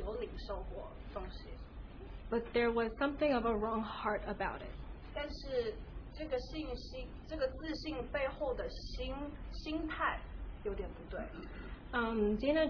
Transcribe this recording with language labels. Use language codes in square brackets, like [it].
[zh] 我的信心，它的根基其实也不是不稳的，因为我知道我有在神那里有领受过东西。 [en] But there was something of a wrong heart about it. [zh] 但是这个信心，这个自信背后的心态有点不对。Dana